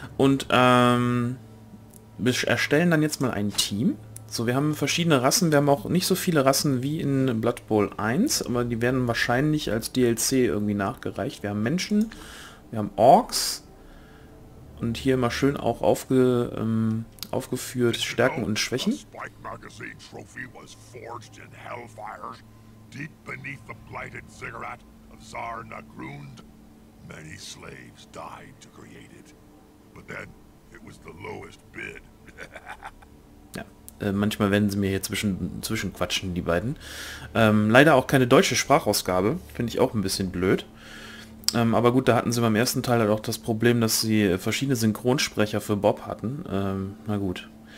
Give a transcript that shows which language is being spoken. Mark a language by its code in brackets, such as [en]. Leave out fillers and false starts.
[de] Und wir erstellen dann jetzt mal ein Team. So, wir haben verschiedene Rassen. Wir haben auch nicht so viele Rassen wie in Blood Bowl 1, aber die werden wahrscheinlich als DLC irgendwie nachgereicht. Wir haben Menschen, wir haben Orks und hier mal schön auch aufgeführt Stärken und Schwächen. [en] Das Spike Magazine Trophy was forged in Hellfire, deep beneath the blighted ziggurat of Tsar Nagrund. Many slaves died to create it, but then it was the lowest bid. [de] Manchmal werden sie mir hier zwischen quatschen, die beiden. Leider auch keine deutsche Sprachausgabe. Finde ich auch ein bisschen blöd. Aber gut, da hatten sie beim ersten Teil halt auch das Problem, dass sie verschiedene Synchronsprecher für Bob hatten. Na gut.